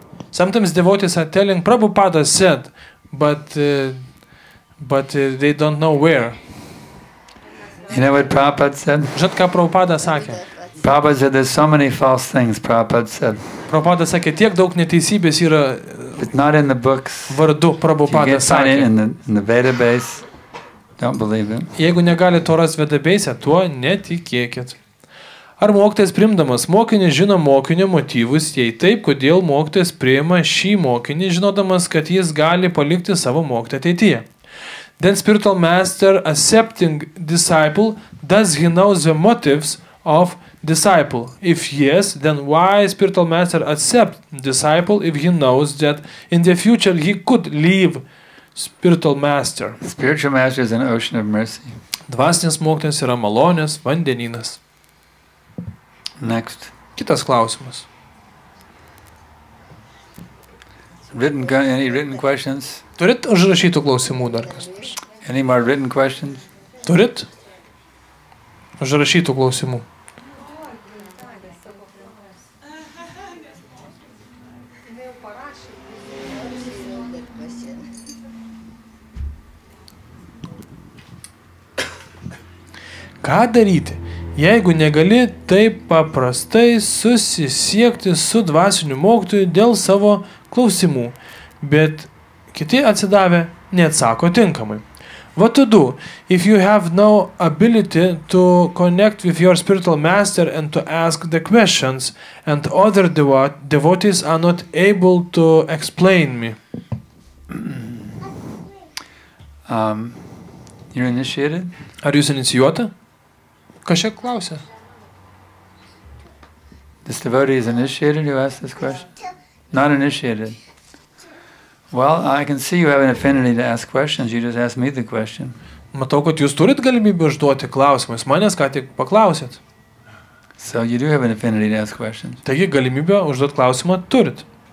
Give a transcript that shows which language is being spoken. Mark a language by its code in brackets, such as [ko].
[en] Sometimes devotees are telling Prabhupada said, but they don't know where. You know what Prabhupada said? [lt] Žinot, ką Prabhupada sakė? [en] Prabhupada said, there's so many false things, Prabhupada said. [lt] Prabhupada sakė, tiek daug neteisybės yra [en] not in the books. [lt] Vardu Prabhupada sakė. [en] In the Veda base, don't believe it. [lt] Jeigu negali to rasti Veda base, tuo netikėkit. Ar mokytojas priimdamas mokinį žino mokinio motyvus, jei taip, kodėl mokytojas priima šį mokinį, žinodamas, kad jis gali palikti savo mokytą ateityje? [en] Then spiritual master accepting disciple, does he know the motives of disciple? If yes, then why spiritual master accept disciple if he knows that in the future he could leave spiritual master? Spiritual master is an ocean of mercy. [lt] Dvasinis mokytojas yra malonės vandenynas. [en] Next. [lt] Kitas klausimas. [en] Any written questions? [lt] Turit užrašytų klausimų dar kas nors? [en] Any more written questions? [lt] Turit užrašytų klausimų? Ką daryti? Jeigu negali taip paprastai susisiekti su dvasiniu mokytoju dėl savo klausimų, bet kiti atsidavę neatsako tinkamai. [en] What to do if you have no ability to connect with your spiritual master and to ask the questions and other devotees are not able to explain me? You're initiated? [lt] Ar jūs inicijuota? Kažkiek klausia. [en] This devotee is initiated, you asked this question? Not initiated. Well, I can see you have an affinity to ask questions, you just ask me the question. [lt] Matau, kad jūs turit galimybę užduoti klausimus, manęs ką tik paklausėt. [en] So you do have an affinity to ask questions. [lt] Taigi galimybę užduoti klausimą turit.